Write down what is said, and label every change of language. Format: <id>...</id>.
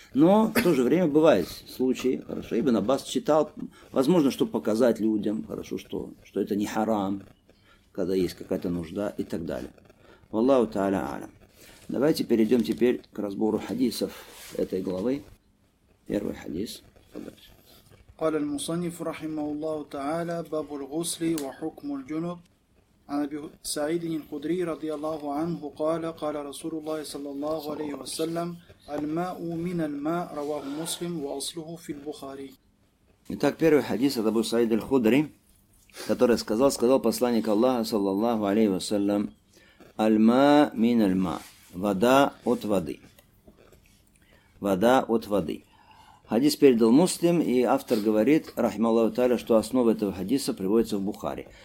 <ru>Но в то же время бывают случаи, хорошо, Ибн Аббас читал, возможно, чтобы показать людям, хорошо, что это не харам, когда есть какая-то нужда и так далее.</ru> <ar>Валлаху тааля аля.</ar> <ru>Давайте перейдем теперь к разбору хадисов этой главы. Первый хадис.</ru> <ar>قال المصنف رحمه الله تعالى باب الغسل وحكم الجنب عن أبي سعيد الخدري رضي الله عنه قال قال رسول الله صلى الله عليه وسلم الماء من الماء رواه مسلم وأصله في البخاري.</ar> <ru>Итак, первый хадис от Абу Саид аль-Худри, который сказал, сказал посланник Аллаха, саллаллаху алейхи вассалям,</ru> <ar>«Аль-ма мин аль-ма»</ar> <ru>– «Вода от воды». «Вода от воды». Хадис передал Муслим, и автор говорит, рахмаллаху тааля, что основа этого хадиса приводится в Бухари.</ru>